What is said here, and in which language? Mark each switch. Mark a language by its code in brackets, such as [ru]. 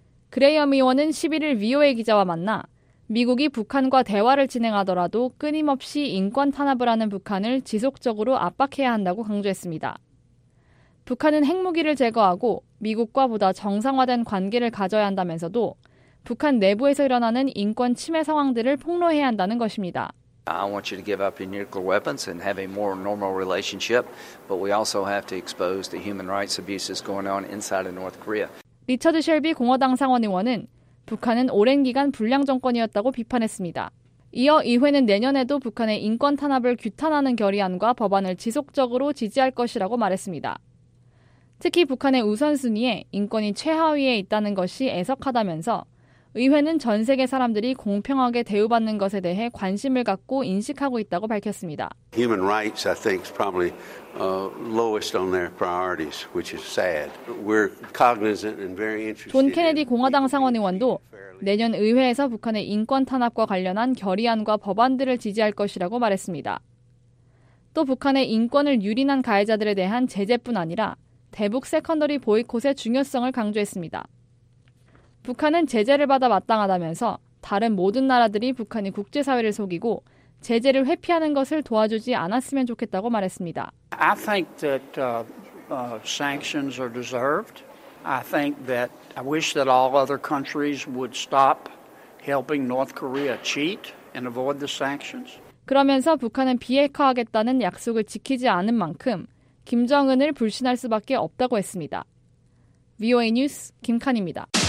[ko] 그레이엄 의원은 11일 VOA 기자와 만나 미국이 북한과 대화를 진행하더라도 끊임없이 인권 탄압을 하는 북한을 지속적으로 압박해야 한다고 강조했습니다. 북한은 핵무기를 제거하고 미국과 보다 정상화된 관계를 가져야 한다면서도 북한 내부에서 일어나는 인권 침해 상황들을 폭로해야 한다는 것입니다. [en] I want you to give up your nuclear weapons and have a more normal relationship, but we also have to expose the human rights abuses going on inside of North Korea. [ko] 리처드 셸비 공화당 상원 의원은 북한은 오랜 기간 불량 정권이었다고 비판했습니다. 이어 의회는 내년에도 북한의 인권 탄압을 규탄하는 결의안과 법안을 지속적으로 지지할 것이라고 말했습니다. 특히 북한의 우선순위에 인권이 최하위에 있다는 것이 애석하다면서 의회는 전 세계 사람들이 공평하게 대우받는 것에 대해 관심을 갖고 인식하고 있다고 밝혔습니다. [en] Human rights, I think, is probably lowest on their priorities, which is sad. We're cognizant and very interested. [ko] 존 케네디 공화당 상원 의원도 내년 의회에서 북한의 인권 탄압과 관련한 결의안과 법안들을 지지할 것이라고 말했습니다. 또 북한의 인권을 유린한 가해자들에 대한 제재뿐 아니라 대북 세컨더리 보이콧의 중요성을 강조했습니다. 북한은 제재를 받아 마땅하다면서 다른 모든 나라들이 북한이 국제사회를 속이고 제재를 회피하는 것을 도와주지 않았으면 좋겠다고 말했습니다. [en] I think that sanctions are deserved. I wish that all other countries would stop helping North Korea cheat and avoid the sanctions. [ko] 그러면서 북한은 비핵화하겠다는 약속을 지키지 않은 만큼 김정은을 불신할 수밖에 없다고 했습니다. VOA 뉴스 김칸입니다.